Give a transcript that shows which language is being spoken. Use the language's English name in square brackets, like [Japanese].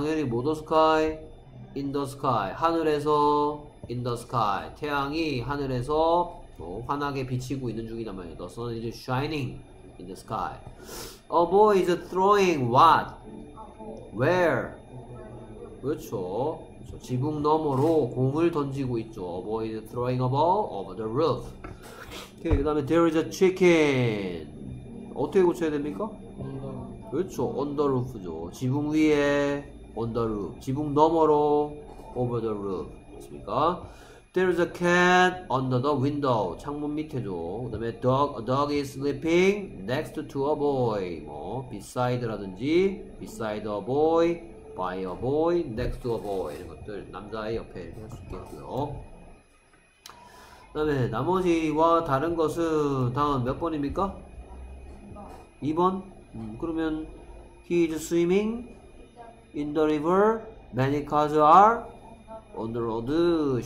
[Korean] 당연히 뭐더 스카이? [English] In the sky. [Korean] 하늘에서 [English] in the sky. [Korean] 태양이 하늘에서 또 환하게 비치고 있는 중이란 말이에요. [English] The sun is shining in the sky. A boy is throwing what? Where? [Korean] 그렇죠. 지붕 너머로 공을 던지고 있죠. [English] A boy is throwing a ball over the roof. [Korean] 그 다음에 [English] there is a chicken. [Korean] 어떻게 고쳐야 됩니까? 그렇죠. [English] On the roof [Korean] 죠. 지붕 위에 [English] On the roof. [Korean] 지붕 너머로 [English] over the roof. [Korean] 맞습니까? [English] There is a cat under the window. [Korean] 창문 밑에죠. 그 다음에 [English] a dog is sleeping next to a boy. 뭐, beside라든지, beside a boy, by a boy, next to a boy. [Korean] 이런 것들. 남자의 옆에 이렇게 할수 있겠고요. 그 다음에 나머지와 다른 것은 다음 몇 번입니까? 2번? 그러면 [English] he is swimming. In the river, many cars are on the road.